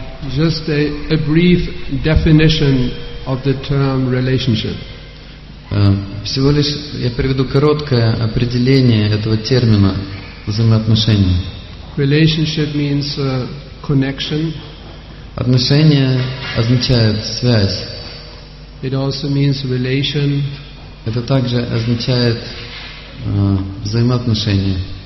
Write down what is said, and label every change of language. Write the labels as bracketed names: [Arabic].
[English] Just a brief definition of the term relationship. [Russian] Всего лишь я приведу короткое определение этого термина взаимоотношений. [English] Relationship means connection. [Russian] Отношения означают связь. [English] It also means relation. [Russian] Это также означает взаимоотношения.